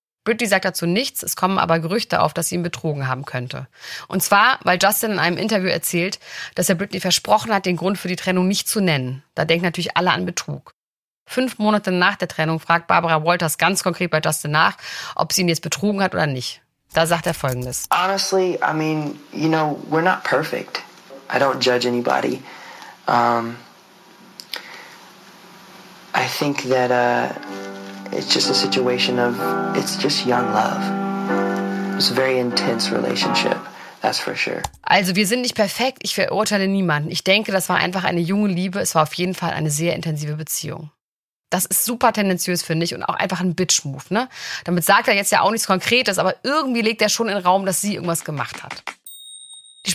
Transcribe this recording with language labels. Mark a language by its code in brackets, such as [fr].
[de] Britney sagt dazu nichts, es kommen aber Gerüchte auf, dass sie ihn betrogen haben könnte. Und zwar, weil Justin in einem Interview erzählt, dass er Britney versprochen hat, den Grund für die Trennung nicht zu nennen. Da denken natürlich alle an Betrug. 5 Monate nach der Trennung fragt Barbara Walters ganz konkret bei Justin nach, ob sie ihn jetzt betrogen hat oder nicht. Da sagt er Folgendes. [en] Honestly, I mean, you know, we're not perfect. I don't judge anybody. I think that it's just a situation of, it's just young love. It's a very intense relationship, that's for sure. [de] Also wir sind nicht perfekt, ich verurteile niemanden. Ich denke, das war einfach eine junge Liebe. Es war auf jeden Fall eine sehr intensive Beziehung. Das ist super tendenziös, finde ich, und auch einfach ein Bitch-Move, ne? Damit sagt er jetzt ja auch nichts Konkretes, aber irgendwie legt er schon in den Raum, dass sie irgendwas gemacht hat. Die